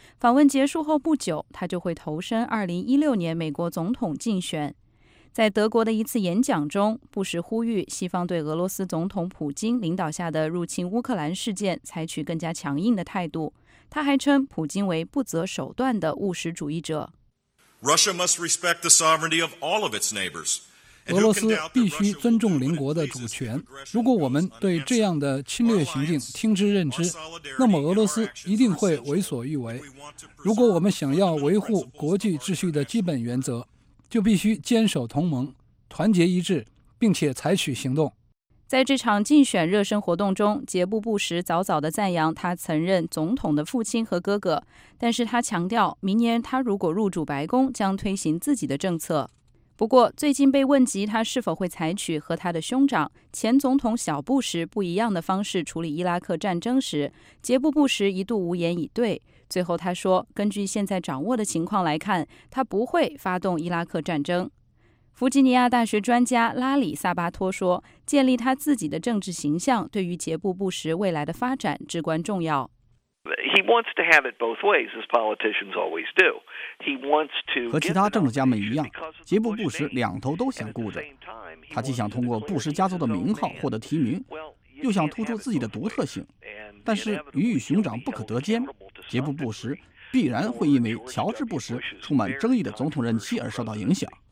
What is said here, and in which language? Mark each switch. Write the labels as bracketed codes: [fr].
[zh] 访问结束后不久，他就会投身2016年美国总统竞选。在德国的一次演讲中，布什呼吁西方对俄罗斯总统普京领导下的入侵乌克兰事件采取更加强硬的态度。他还称普京为不择手段的务实主义者。 [en] Russia must respect the sovereignty of all of its neighbors. [zh] 俄罗斯必须尊重邻国的主权。如果我们对这样的侵略行径听之任之，那么俄罗斯一定会为所欲为。如果我们想要维护国际秩序的基本原则，就必须坚守同盟，团结一致，并且采取行动。在这场竞选热身活动中，杰布·布什早早地赞扬他曾任总统的父亲和哥哥，但是他强调，明年他如果入主白宫，将推行自己的政策。不过，最近被问及他是否会采取和他的兄长前总统小布什不一样的方式处理伊拉克战争时，杰布·布什一度无言以对。最后他说，根据现在掌握的情况来看，他不会发动伊拉克战争。弗吉尼亚大学专家拉里·萨巴托说，建立他自己的政治形象对于杰布·布什未来的发展至关重要。 [en] He wants to have it both ways, as politicians always do. He wants to [zh] 和其他政治家们一样，杰布·布什两头都想顾着。他既想通过布什家族的名号获得提名，又想突出自己的独特性。但是鱼与熊掌不可得兼，杰布·布什必然会因为乔治·布什充满争议的总统任期而受到影响。